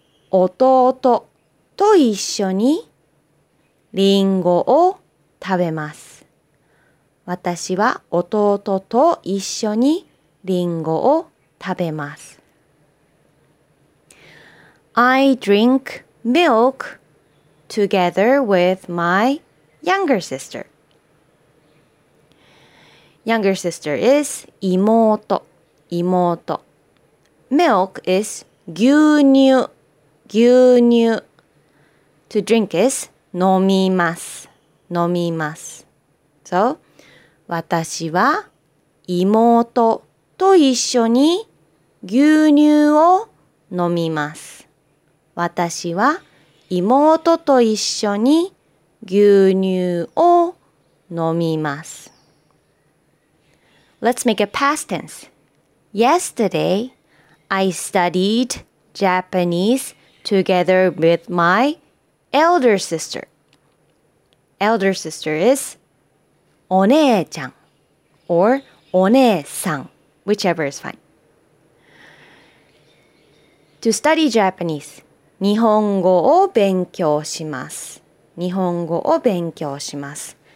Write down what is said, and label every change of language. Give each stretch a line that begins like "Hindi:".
Japanese: 弟と一緒にリンゴを食べます。私は弟と一緒にリンゴを食べます。
English: I drink milk together with my younger sister. Younger sister is 妹。
Japanese: 妹。
English: Milk is 牛乳。牛乳。 To drink is 飲みます。
Japanese: 飲みます。 So, 私は妹と一緒に牛乳を飲みます。私は妹と一緒に牛乳を飲みます。
English: Let's make a past tense. Yesterday, I studied Japanese together with my elder sister. Elder sister is
Japanese: お姉ちゃん or お姉さん
English: whichever is fine. To study Japanese,
Japanese: 日本語を勉強します。日本語を勉強します。